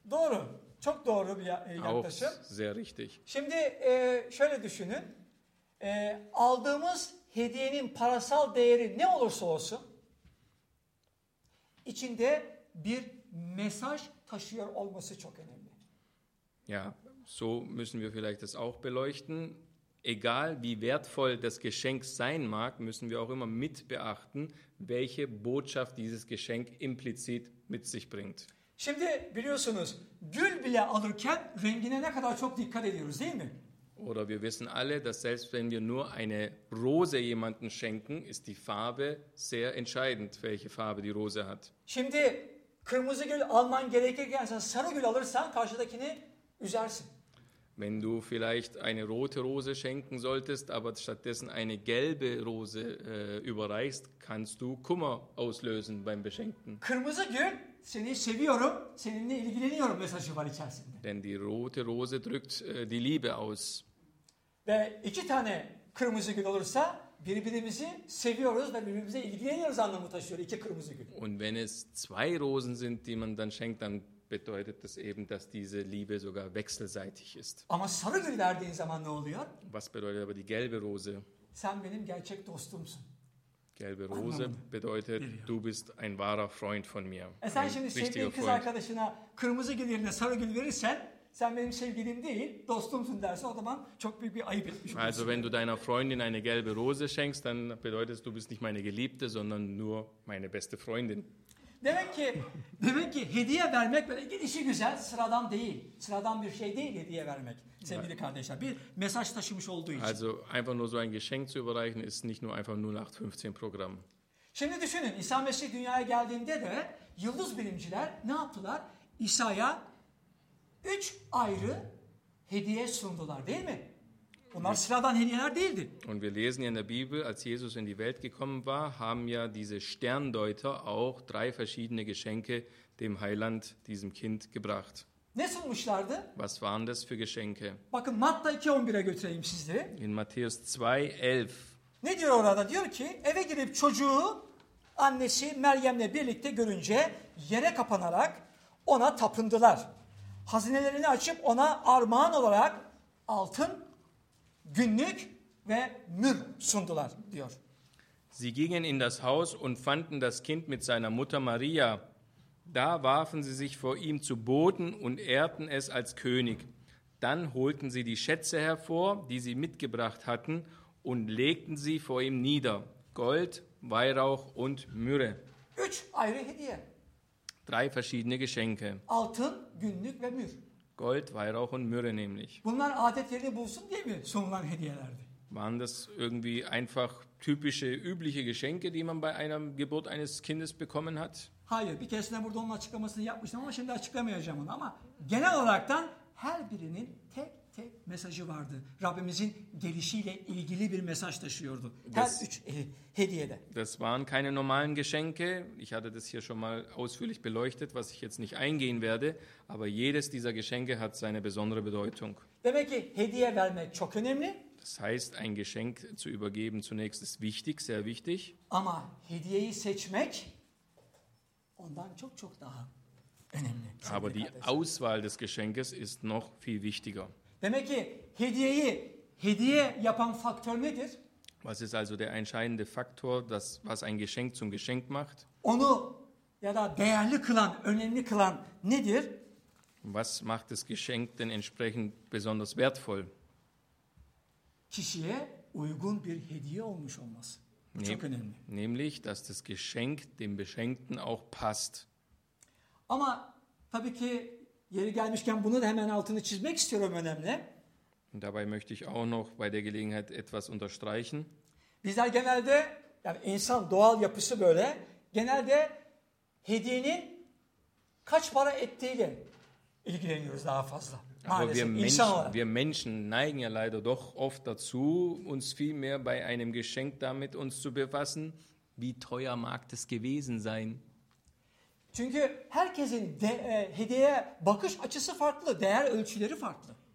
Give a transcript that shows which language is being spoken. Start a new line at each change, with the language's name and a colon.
Turkish: Doğru. Çok doğru bir yaklaşım.
German: Sehr richtig.
Turkish: Şimdi şöyle düşünün. Aldığımız hediyenin parasal değeri ne olursa olsun içinde bir mesaj taşıyor olması çok önemli.
German: Ja, so müssen wir vielleicht das auch beleuchten. Egal wie wertvoll das Geschenk sein mag, müssen wir auch immer mit beachten, welche Botschaft dieses Geschenk implizit mit sich bringt.
Turkish: Şimdi biliyorsunuz, gül bile alırken rengine ne kadar çok dikkat ediyoruz, değil mi?
German: Oder wir wissen alle, dass selbst wenn wir nur eine Rose jemanden schenken, ist die Farbe sehr entscheidend, welche Farbe die Rose hat.
Turkish: Şimdi kırmızı gül alman gerekirken sen sarı gül alırsan karşıdakini üzersin.
German: Wenn du vielleicht eine rote Rose schenken solltest, aber stattdessen eine gelbe Rose überreichst, kannst du Kummer auslösen beim Beschenkten.
Turkish: Kırmızı gül, seni seviyorum, seninle ilgileniyorum mesajı var içerisinde.
German: Denn die rote Rose drückt die Liebe aus.
Turkish: Ve iki tane kırmızı gül olursa birbirimizi seviyoruz ve birbirimize ilgileniyoruz anlamı taşıyor iki kırmızı gül.
German: Und wenn es zwei Rosen sind, die man dann schenkt, dann bedeutet das eben, dass diese Liebe sogar wechselseitig ist.
Turkish: Ama sarı gül verdiğin zaman ne oluyor?
German: Was bedeutet aber die gelbe Rose?
Turkish: Sen benim gerçek dostumsun.
German: Gelbe Rose
Turkish: anlamadım.
German: Bedeutet,
Turkish: geliyor.
German: Du bist ein wahrer Freund von mir.
Turkish: Sen şimdi sevdiğin kız arkadaşına kırmızı gül yerine sarı gül verirsen, sen benim sevgilim değil, dostumsun derse o zaman çok büyük bir ayıp etmiş olursun.
German: Also wenn du deiner Freundin eine gelbe Rose schenkst, dann bedeutet, du bist nicht meine Geliebte, sondern nur meine beste Freundin.
Turkish: Demek ki hediye vermek böyle gelişi güzel, sıradan değil. Sıradan bir şey değil hediye vermek sevgili kardeşler. Bir mesaj taşımış olduğu için.
German: Also einfach nur so ein Geschenk zu überreichen ist nicht nur einfach 0815 Programm.
Turkish: Şimdi düşünün İsa Mesih dünyaya geldiğinde de yıldız bilimciler ne yaptılar? İsa'ya 3 ayrı hediye sundular, değil mi? Bunlar sıradan hediyeler değildi.
German: Und wir lesen ja in der Bibel, als Jesus in die Welt gekommen war, haben ja diese Sterndeuter auch 3 verschiedene Geschenke dem Heiland, diesem Kind, gebracht.
Turkish: Ne sunmuşlardı?
German: Was waren das für Geschenke?
Turkish: Bakın Matta 2:11'e götüreyim sizleri.
German: In Matthäus 2:11.
Turkish: Ne diyor orada? Diyor ki, eve girip çocuğu annesi Meryem'le birlikte görünce yere kapanarak ona tapındılar. Hazinelerini açıp ona armağan olarak altın, günlük ve mür sundular diyor.
German: Sie gingen in das Haus und fanden das Kind mit seiner Mutter Maria. Da warfen sie sich vor ihm zu Boden und ehrten es als König. Dann holten sie die Schätze hervor, die sie mitgebracht hatten, und legten sie vor ihm nieder. Gold, Weihrauch und Myrrhe.
Turkish: 3 ayrı hediye.
German: 3 verschiedene Geschenke.
Turkish: Altın, günlük ve mür.
German: Gold, Weihrauch und Myrrhe nämlich.
Turkish: Bunlar adet yerini bulsun diye mi sunulan hediyelerdi?
German: Waren das irgendwie einfach typische, übliche Geschenke, die man bei einer Geburt eines Kindes bekommen hat?
Turkish: Hayır, bir keresinde burada onun açıklamasını yapmıştım ama şimdi açıklamayacağım onu. Ama genel olaraktan her birinin tek tek mesajı vardı. Rabbimizin gelişiyle ilgili bir mesaj taşıyordu. Her üç hediyede.
German: Das waren keine normalen Geschenke. Ich hatte das hier schon mal ausführlich beleuchtet, was ich jetzt nicht eingehen werde. Aber jedes dieser Geschenke hat seine besondere Bedeutung.
Turkish: Demek ki hediye vermek çok önemli.
German: Das heißt, ein Geschenk zu übergeben zunächst ist wichtig, sehr wichtig.
Turkish: Ama hediyeyi seçmek ondan çok çok daha önemli.
German: Aber die Auswahl des Geschenkes ist noch viel wichtiger.
Turkish: Demek ki hediyeyi hediye yapan faktör nedir?
German: Was ist also der entscheidende Faktor, das, was ein Geschenk zum Geschenk macht?
Turkish: Onu ya da değerli kılan, önemli kılan nedir?
German: Was macht das Geschenk denn entsprechend besonders wertvoll?
Turkish: Kişiye uygun bir hediye olmuş olması. Çok önemli.
German: Nämlich, dass das Geschenk dem Beschenkten auch passt.
Turkish: Ama tabii ki yeri gelmişken bunu da hemen altını çizmek istiyorum önemli.
German: Und dabei möchte ich auch noch bei der Gelegenheit etwas unterstreichen.
Turkish: Bizler genelde, yani insan doğal yapısı böyle, genelde hediyenin kaç para ettiğiyle ilgileniyoruz daha fazla.
German: Aber wir Menschen neigen ja leider doch oft dazu, uns viel mehr bei einem Geschenk damit uns zu befassen, wie teuer mag das gewesen sein.
Turkish: Çünkü herkesin hediye bakış açısı farklı, değer ölçüleri farklı.